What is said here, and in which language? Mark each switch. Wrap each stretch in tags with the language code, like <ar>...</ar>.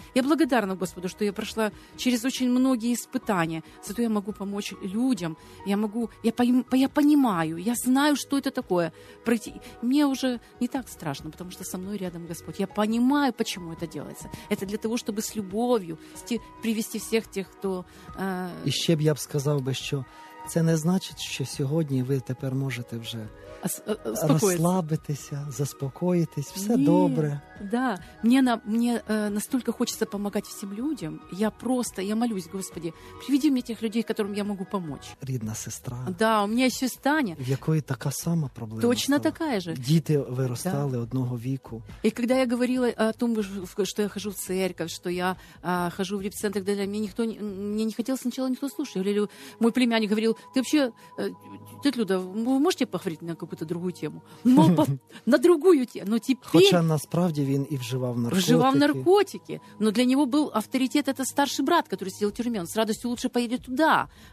<ru>Я благодарна Господу, что я прошла через очень многие испытания. Зато я могу помочь людям. Людям. Я могу, я понимаю, я знаю, что это такое. Пройти. Мне уже не так страшно, потому что со мной рядом Господь. Я понимаю, почему это делается. Это для того, чтобы с любовью привести всех тех, кто...</ru> <uk>И ще б я б сказав би, що це не значить, що сьогодні ви тепер можете вже расслабитися, заспокоїтись, все</uk> <ru>Нет,</ru> <uk>добре.</uk> <ru>Да, мне настолько хочется помогать всем людям, я молюсь, Господи, приведи мне тех людей, которым я могу помочь.</ru> <uk>Рідна сестра.</uk> <ru>Да, у меня еще Таня.</ru> <uk>В якої така сама проблема.</uk> <ru>Точно стала. Такая же.</ru> <uk>Діти виростали да. одного віку.</uk> <ru>И когда я говорила о том, что я хожу в церковь, что я хожу в репцентр, мне не хотелось сначала никто слушать. Или мой племянник говорил, ты вообще, ты, Люда, вы можете поговорить на какую-то другую тему? Но на другую тему.</ru> <uk>Хоча насправді він і вживав наркотики. Вживав наркотики.</uk> <ru>Но для него был авторитет это старший брат, который сидел в тюрьме. Он с радостью лучше поедет туда.</ru>